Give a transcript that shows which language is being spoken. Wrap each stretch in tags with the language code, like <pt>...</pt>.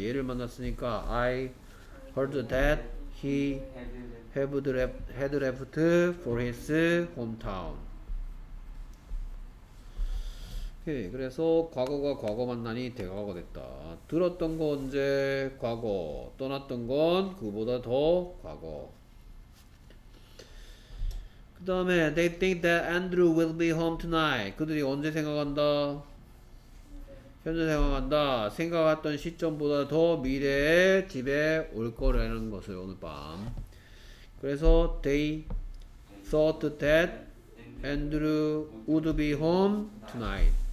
<ko>얘를 만났으니까</ko> <en>I heard that he had left for his hometown.</en> <ko>오케이. 그래서 과거가 과거 만나니 대과거 됐다. 들었던 건 언제? 과거. 떠났던 건 그보다 더 과거. 그 다음에</ko> <en>They think that Andrew will be home tonight.</en> <ko>그들이 언제 생각한다? 현재 생각한다. 생각했던 시점보다 더 미래에 집에 올 거라는 것을 오늘 밤. 그래서</ko> <en>They thought that Andrew would be home tonight.</en>